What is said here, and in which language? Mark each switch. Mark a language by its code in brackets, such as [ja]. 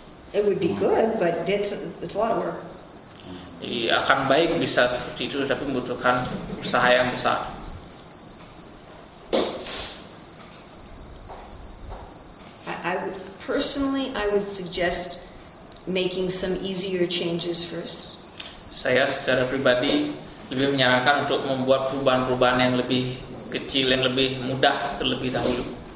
[en] It would be good, but it's a lot of work. [id] Ia akan baik bisa seperti itu, tapi membutuhkan usaha yang besar. [en] I would suggest making some easier changes first. [id] Saya secara pribadi lebih menyarankan untuk membuat perubahan-perubahan yang lebih kecil, yang lebih mudah terlebih dahulu.